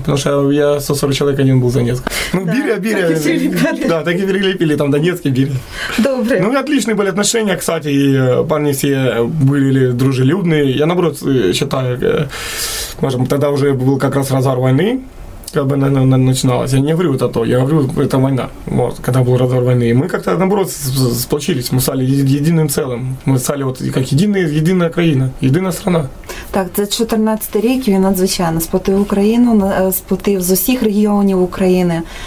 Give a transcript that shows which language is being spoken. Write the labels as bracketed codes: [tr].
[uk] Тому що я 140 чоловік, один був Донецьк. Ну, да. Біря. Так і всі ліпили. Да, так і ліпили, там Донецький, Біря. Добре. Ну, отлічні були відносини, кстати, і парні всі були дружелюбні. Я, наоборот, вважаю, може, тоді вже був якраз розгар війни. [ru] Как бы начиналось. Я не говорю это то, я говорю, это война. Вот, когда был разгар войны. И мы как-то наоборот сплочились. Мы стали единым целым. Мы стали вот как единая [uk] країна, єдина [ru] страна. [uk] Так, це 14-й рік, він надзвичайно сплотив Україну, сплотив з усіх регіонів України.